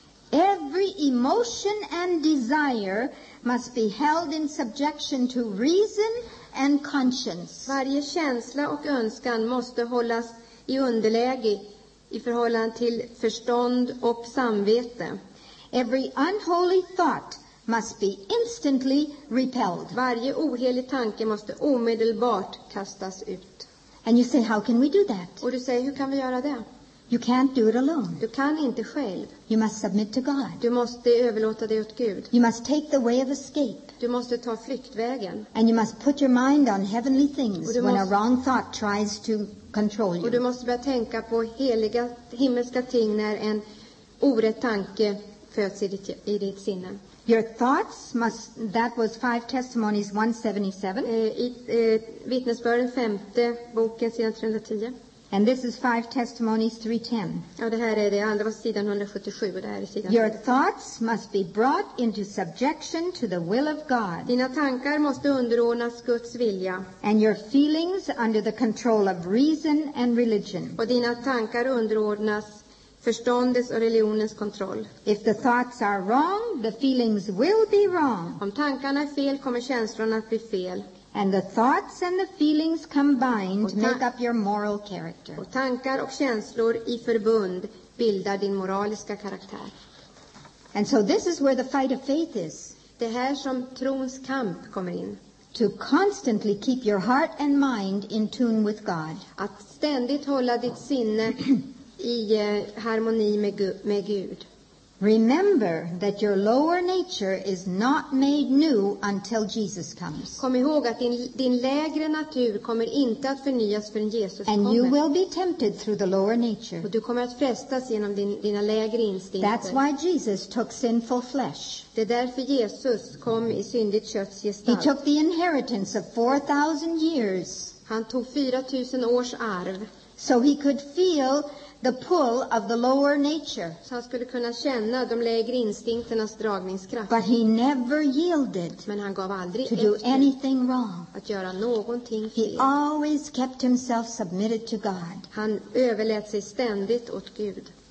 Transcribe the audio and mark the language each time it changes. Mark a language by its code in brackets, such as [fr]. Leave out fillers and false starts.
[en] Every emotion and desire must be held in subjection to reason and conscience. [sv] Varje känsla och önskan måste hållas i underläge i förhållande till förstånd och samvete. [en] Every unholy thought must be instantly repelled. [sv] Varje ohelig tanke måste omedelbart kastas ut. [en] And you say, how can we do that? [sv] Och du säger, hur kan vi göra det? [en] You can't do it alone. [sv] Du kan inte själv. [en] You must submit to God. [sv] Du måste överlåta dig åt Gud. [en] You must take the way of escape. [sv] Du måste ta flyktvägen. [en] And you must put your mind on heavenly things when a wrong thought tries to control you. [sv] Och du måste börja tänka på heliga himmelska ting när en orätt tanke föds i ditt sinne. [en] Your thoughts must, that was Five Testimonies 177. [sv] Vittnesbörden femte boken sidan 310. [en] And this is Five Testimonies 310. [sv] Ja, det här är det andra var sidan 177 och det här är sidan. [en] Your thoughts must be brought into subjection to the will of God. [sv] Dina tankar måste underordnas Guds vilja. [en] And your feelings under the control of reason and religion. [sv] Och dina tankar underordnas förståndets och religionens kontroll. [en] If the thoughts are wrong, the feelings will be wrong. [sv] Om tankarna är fel kommer känslorna att bli fel. [en] And the thoughts and the feelings combined make up your moral character. [sv] Och tankar och känslor i förbund bildar din moraliska karaktär. [en] And so this is where the fight of faith is. [sv] Det här som trons kamp kommer in. [en] To constantly keep your heart and mind in tune with God. [sv] Att ständigt hålla ditt sinne i harmoni med Gud. [en] Remember that your lower nature is not made new until Jesus comes. [sv] Kom ihåg att din lägre natur kommer inte att förnyas förrän Jesus kommer. [en] And you will be tempted through the lower nature. [sv] Och du kommer att frestas genom dina lägre instinkter. [en] That's why Jesus took sinful flesh. [sv] Det är därför Jesus kom i syndigt kötts gestalt. [en] He took the inheritance of 4,000 years. [sv] Han tog 4,000 års arv. [en] So he could feel the pull of the lower nature. [sv] Så han skulle kunna känna de lägre instinkternas dragningskraft. [en] But he never yielded. [sv] Men han gav aldrig [en] to do anything wrong. [sv] Att göra någonting fel. [en] He always kept himself submitted to God. [sv] Han överlät sig ständigt åt Gud.